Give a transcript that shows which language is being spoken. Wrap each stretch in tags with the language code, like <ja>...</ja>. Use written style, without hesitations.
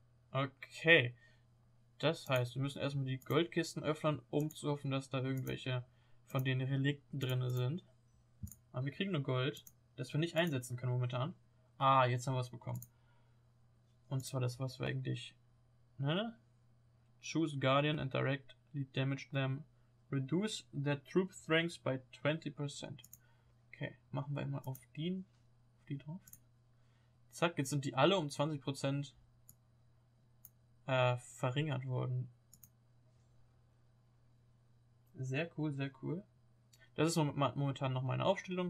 <de>Okay. Das heißt, wir müssen erstmal die Goldkisten öffnen, um zu hoffen, dass da irgendwelche von den Relikten drin sind. Aber wir kriegen nur Gold, das wir nicht einsetzen können momentan. Ah, jetzt haben wir was bekommen. Und zwar das, was wir eigentlich. Ne?</de> <en>Choose Guardian and directly damage them. Reduce their troop strength by 20%.</en> <de>Okay, machen wir mal auf die. Auf die drauf. Zack, jetzt sind die alle um 20% verringert worden. Sehr cool, sehr cool. Das ist momentan noch meine Aufstellung.</de>